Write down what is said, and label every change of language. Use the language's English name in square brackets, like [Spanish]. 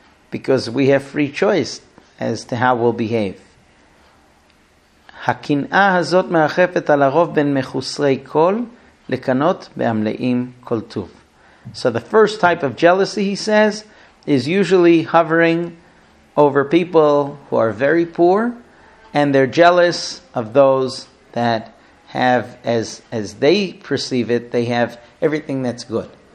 [English] Because we have free choice as to how we'll behave. [Hebrew] הקנאה הזאת מרחפת על הרוב בין מחוסרי כל לקנות בעמלאים כל טוב. [English] So the first type of jealousy, he says, is usually hovering over people who are very poor, and they're jealous of those that have, as they perceive it, they have everything that's good.